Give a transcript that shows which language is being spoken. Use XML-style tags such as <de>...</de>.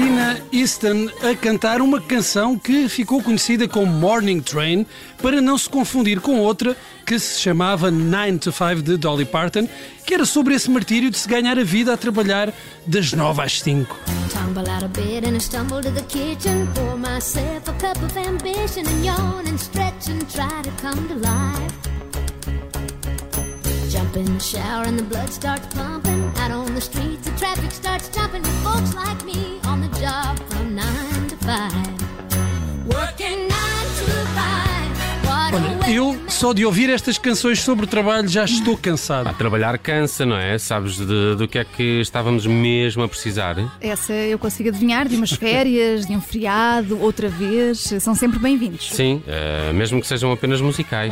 <pt>A cantar uma canção que ficou conhecida como Morning Train, para não se confundir com outra que se chamava 9 to 5 de Dolly Parton, que era sobre esse martírio de se ganhar a vida a trabalhar das 9 às 5.</pt> <en>Tumble out of bed and stumble to the kitchen, pour myself a cup of ambition and yawn and stretch and try to come to life. Jump in the shower and the blood starts pumping. Out on the streets the traffic starts jumping with folks like me on the job from 9 to 5. Working 9 to 5.</en> <pt>Eu só de ouvir estas canções sobre trabalho já estou cansado. Trabalhar cansa, não é? Sabes do que é que estávamos mesmo a precisar? Essa eu consigo adivinhar, de umas férias, de um feriado, outra vez. São sempre bem-vindos. Sim, mesmo que sejam apenas musicais.</pt>